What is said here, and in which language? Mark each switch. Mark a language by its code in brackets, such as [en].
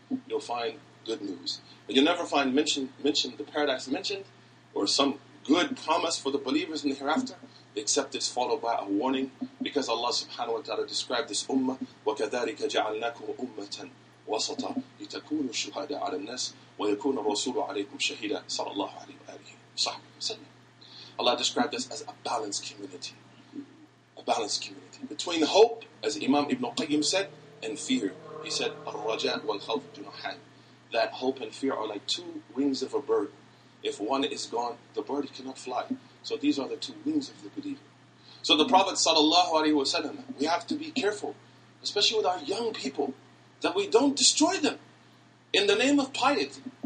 [en] You'll find good news. But you'll never find mentioned the paradise mentioned or some good promise for the believers in the hereafter except it's followed by a warning, because Allah subhanahu wa ta'ala described this ummah [ar] وَكَذَلِكَ جَعَلْنَاكُمْ أُمَّةً وَسَطًا لِتَكُونُوا شُهَدَ عَلَى النَّاسِ وَيَكُونَ الرَّسُولُ عَلَيْكُمْ شَهِدًا صلى الله عليه وآله وصحبه وسلم. [en] Allah described us as a balanced community. A balanced community. Between hope, as Imam Ibn Qayyim said, and fear. [ar] He said, الرَّجَاء وَالْخَوْفُ دُنُحَانِ. [en] That hope and fear are like two wings of a bird. If one is gone, the bird cannot fly. So these are the two wings of the believer. So the Prophet sallallahu alaihi wasallam, we have to be careful, especially with our young people, that we don't destroy them in the name of piety.